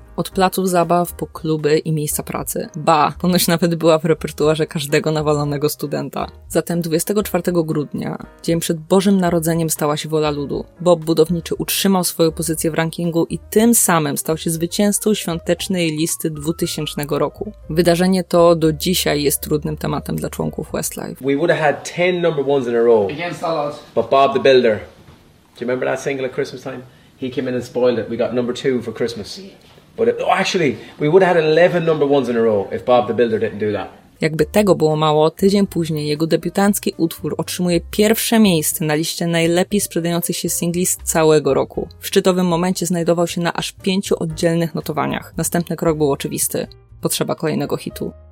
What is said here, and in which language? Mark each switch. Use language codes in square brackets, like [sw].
[pl] Od placów zabaw po kluby i miejsca pracy. Ba, ponoć nawet była w repertuarze każdego nawalonego studenta. Zatem 24 grudnia, dzień przed Bożym Narodzeniem, stała się wola ludu. Bob Budowniczy utrzymał swoją pozycję w rankingu i tym samym stał się zwycięzcą świątecznej listy 2000 roku. Wydarzenie to do dzisiaj jest trudnym tematem dla członków Westlife. [en] We would have had 10 number ones in a row. Against all odds. But Bob the Builder. Do you remember that single at Christmas time? He came in and spoiled it. We got number 2 for Christmas. But it, actually, we would have had 11 number ones in a row if Bob the Builder didn't do that. [pl] Jakby tego było mało, tydzień później jego debiutancki utwór otrzymuje pierwsze miejsce na liście najlepiej sprzedających się singli z całego roku. W szczytowym momencie znajdował się na aż 5 oddzielnych notowaniach. Następny krok był oczywisty. Potrzeba kolejnego hitu.